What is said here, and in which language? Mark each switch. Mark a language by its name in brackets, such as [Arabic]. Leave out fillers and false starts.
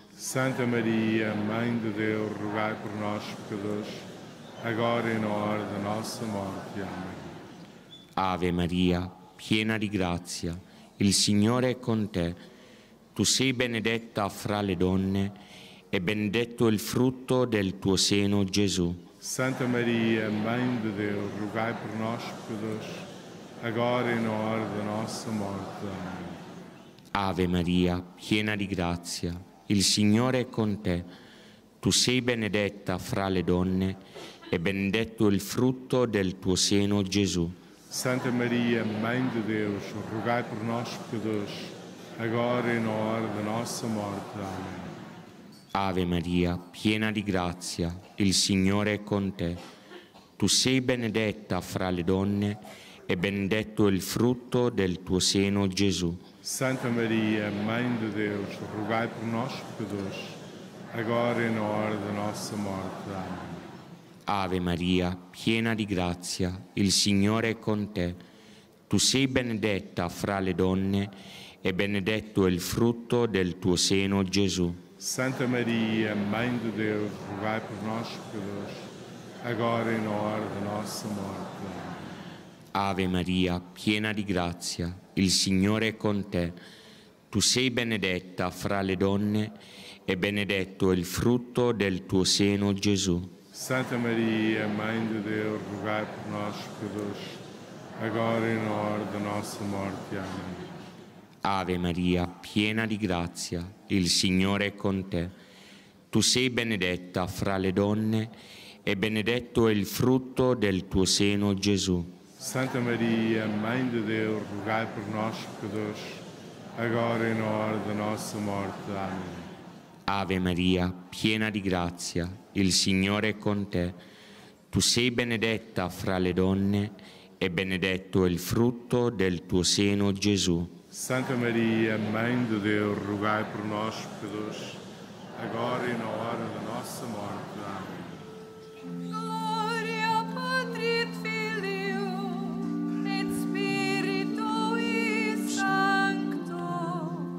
[Portuguese] Santa Maria, Mãe de Deus, rogai [Italian] per noi peccatori, [Portuguese] agora e na hora da nossa morte. Amen. [Italian] Ave Maria, piena di grazia, il Signore è con te. Tu sei benedetta fra le donne, e benedetto è il frutto del tuo seno, Gesù. [Portuguese] Santa Maria, Mãe de Deus, rogai por nós, pecadores, agora e na hora da nossa morte. Amém. [Italian] Ave Maria, piena di grazia, il Signore è con te. Tu sei benedetta fra le donne, e benedetto è il frutto del tuo seno, Gesù. [Portuguese] Santa Maria, Mãe de Deus, rogai por nós, pecadores, agora e na hora da nossa morte. Amém. [Italian] Ave Maria, piena di grazia, il Signore è con te. Tu sei benedetta fra le donne e benedetto è il frutto del tuo seno, Gesù. [Portuguese] Santa Maria, Mãe de Deus, rogai [Italian] per noi peccatori, [Portuguese] agora e na hora da nossa morte. Amen. [Italian] Ave Maria, piena di grazia, il Signore è con te. Tu sei benedetta fra le donne e benedetto è il frutto del tuo seno, Gesù. [Portuguese] Santa Maria, Mãe de Deus, rogai por nós, pecadores, agora e na hora da nossa morte. [Italian] Ave Maria, piena di grazia, il Signore è con te. Tu sei benedetta fra le donne e benedetto è il frutto del tuo seno, Gesù. [Portuguese] Santa Maria, Mãe de Deus, rogai por nós, pecadores, agora e na hora da nossa morte. Amen. [Italian] Ave Maria, piena di grazia, il Signore è con te. Tu sei benedetta fra le donne e benedetto è il frutto del tuo seno, Gesù. [Portuguese] Santa Maria, Mãe de Deus, rogai [Italian] per noi peccatori, [Portuguese] agora e na hora da nossa morte. Amen. [Italian] Ave Maria, piena di grazia, il Signore è con te. Tu sei benedetta fra le donne e benedetto è il frutto del tuo seno, Gesù. [Portuguese] Santa Maria, Mãe de Deus, rogai por nós, pecadores, agora e na hora da nossa morte. Amém. [Latin] Glória Patri et Filio et Spirito Sancto.